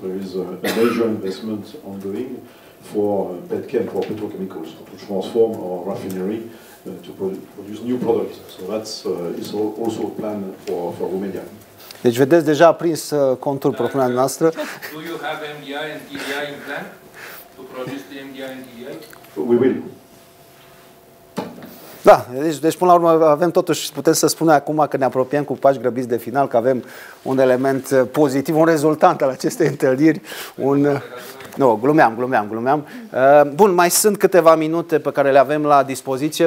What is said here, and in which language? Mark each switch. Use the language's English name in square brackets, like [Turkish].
[English] There is a major investment ongoing for petchem, for petrochemicals, to transform our raffinery to produce new products. So that's is also a plan for Romania. [Romanian] Deci vedeți, deja a prins contul propunerea noastră. [English] Do you have MDI and TDI in plan to produce the MDI and TDI? We will. [Romanian] Da, deci până la urmă avem totuși, putem să spunem acum că ne apropiem cu pași grăbiți de final, că avem un element pozitiv, un rezultat al acestei întâlniri. Nu, glumeam. Bun, mai sunt câteva minute pe care le avem la dispoziție.